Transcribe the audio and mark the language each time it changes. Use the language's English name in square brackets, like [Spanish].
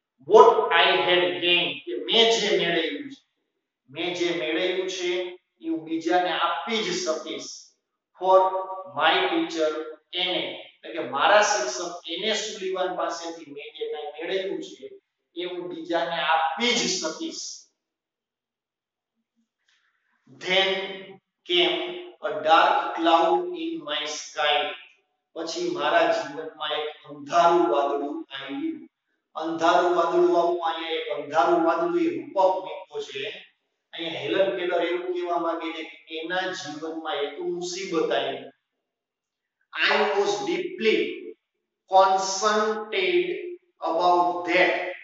[English] What I had gained [Gujarati] કે મેં જે મેળવ્યું છે એ હું બીજાને આપી જ શકીશ. [English] For my teacher [Gujarati] એને કે મારા શિક્ષક એને સુલીવાન પાસેથી મેં જે કંઈ મેળવ્યું છે એ હું બીજાને આપી જ શકીશ. [English] Then came a dark cloud in my sky. [Gujarati] પછી મારા જીવનમાં એક અંધારું વાદળું આવ્યું. અંધારું વાદળું આવવું, અહીંયા એક અંધારું વાદળું એ રૂપક મૂક્યો છે. અહીંયા હેલન કેલર એવું કહેવા માંગે છે કે એના જીવનમાં એક મુસીબત આવી. [English] I was deeply concerned about that.